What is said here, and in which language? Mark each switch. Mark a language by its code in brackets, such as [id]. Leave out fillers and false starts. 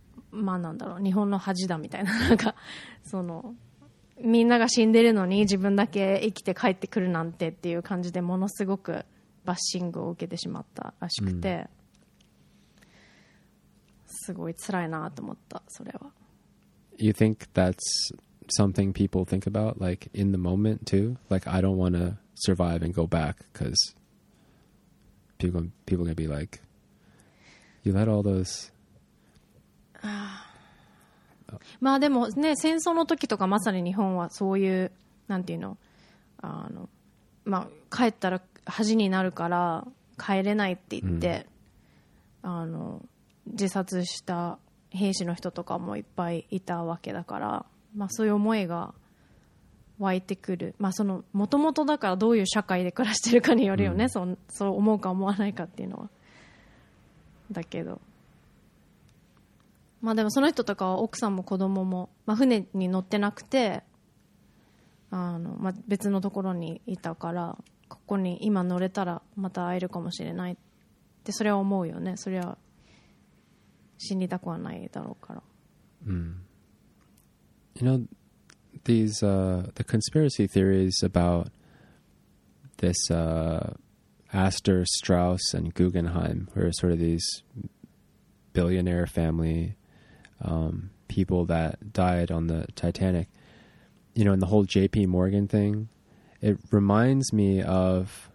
[ja] まあなんだろう日本の恥だみたいななんかそのみんなが死んでるのに自分だけ生きて帰ってくるなんてっていう感じでものすごくバッシングを受けてしまったらしくて、うん、すごい辛いなと思ったそれは。 [en] You think that's something people think about like in the moment too? Like I don't want to survive and go back because people are going to be like you let all those [ja] まあでもね戦争の時とかまさに日本はそういうなんていうの、 あの、まあ、帰ったら恥になるから帰れないって言って、うん、あの自殺した兵士の人とかもいっぱいいたわけだから、まあ、そういう思いが湧いてくる、まあ、その元々だからどういう社会で暮らしてるかによるよね、うん、そう思うか思わないかっていうのはだけどまあ、でもその人とかは奥さんも子供も、まあ、船に乗ってなくてあの、まあ、別のところにいたからここに今乗れたらまた会えるかもしれないってそれは思うよねそれは死にたくはないだろうから、 [en] mm. You know these, the conspiracy theories about this Astor, Strauss and Guggenheim who are sort of these billionaire family people that died on the Titanic, you know, and the whole JP Morgan thing, it reminds me of